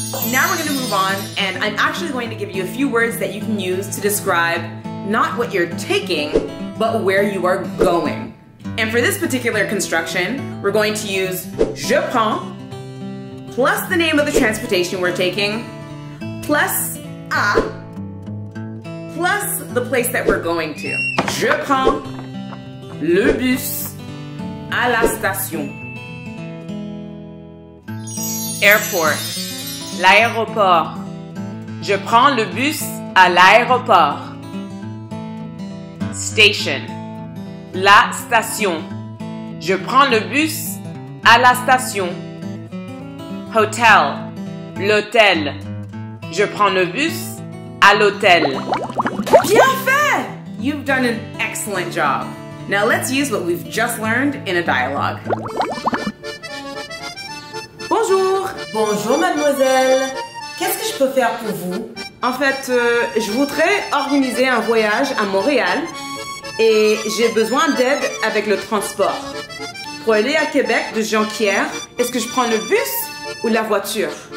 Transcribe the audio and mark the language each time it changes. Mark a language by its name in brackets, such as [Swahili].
[English] Now we're going to move on, and I'm actually going to give you a few words that you can use to describe not what you're taking, but where you are going. And for this particular construction, we're going to use [French] je prends, [English] plus the name of the transportation we're taking, plus à, plus the place that we're going to. [French] Je prends le bus à la station. [English] Airport. [French] L'aéroport. Je prends le bus à l'aéroport. Station. La station. Je prends le bus à la station. Hotel. L'hôtel. Je prends le bus à l'hôtel. Bien fait! [English] You've done an excellent job. Now let's use what we've just learned in a dialogue. [French] Bonjour! Bonjour, mademoiselle! Qu'est-ce que je peux faire pour vous? En fait, je voudrais organiser un voyage à Montréal et j'ai besoin d'aide avec le transport. Pour aller à Québec de Jonquière, est-ce que je prends le bus ou la voiture?